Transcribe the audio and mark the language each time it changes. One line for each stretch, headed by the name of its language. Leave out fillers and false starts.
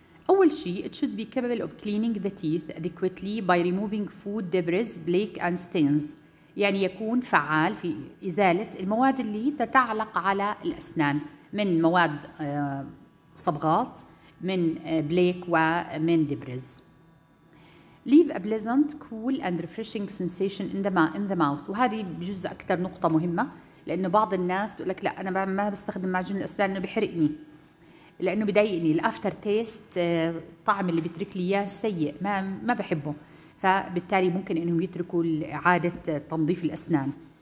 Arabic: أول شيء
English: it should be capable of cleaning the teeth adequately by removing food debris, blake and stains،
Arabic: يعني يكون فعال في إزالة المواد اللي تتعلق على الأسنان من مواد صبغات، من بليك ومن دبرز.
English: Leave a pleasant, cool and refreshing sensation in the mouth.
Arabic: وهذه بجزء أكثر نقطة مهمة، لأنه بعض الناس يقول لك لا أنا ما بستخدم معجون الأسنان لأنه بيحرقني، لأنه بيضايقني الأفتر تيست، الطعم اللي بيترك لي إياه سيء، ما بحبه، فبالتالي ممكن أنهم يتركوا عادة تنظيف الأسنان.